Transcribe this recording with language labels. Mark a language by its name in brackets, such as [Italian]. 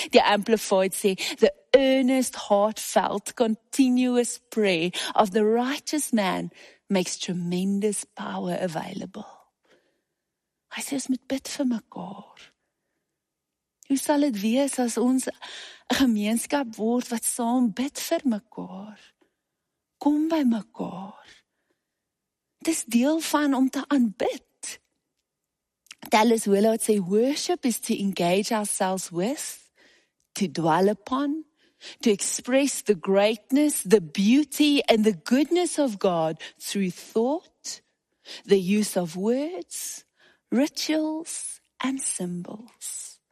[Afrikaans] Die Amplified sê, [English] the earnest, heartfelt, continuous prayer of the righteous man makes tremendous power available. [Afrikaans] Hy sê, ons moet bid vir mekaar. Hoe sal dit wees as ons 'n gemeenskap word wat saam bid vir mekaar? Kom by mekaar. Dis deel van om te aanbid. [English] Dallas Willard sê, worship is to engage ourselves with, to dwell upon, to express the greatness, the beauty and the goodness of God through thought, the use of words, rituals and symbols.